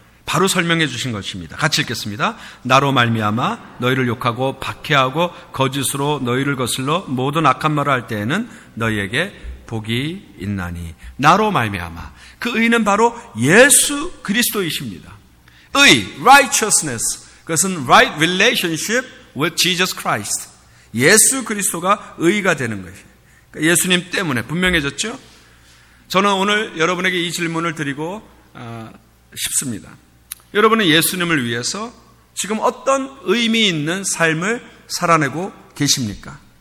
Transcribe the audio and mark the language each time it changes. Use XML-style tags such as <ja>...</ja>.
<ko>바로 설명해 주신 것입니다. 같이 읽겠습니다. 나로 말미암아 너희를 욕하고 박해하고 거짓으로 너희를 거슬러 모든 악한 말을 할 때에는 너희에게 복이 있나니. 나로 말미암아. 그 의는 바로 예수 그리스도이십니다. 의, righteousness.</ko> <en>그것은 right relationship with Jesus Christ.</en> <ko>예수 그리스도가 의가 되는 것이에요. 그러니까 예수님 때문에 분명해졌죠? 저는 오늘 여러분에게 이 질문을 드리고 싶습니다. 여러분은 예수님을 위해서 지금 어떤 의미 있는 삶을 살아내고 계십니까?</ko>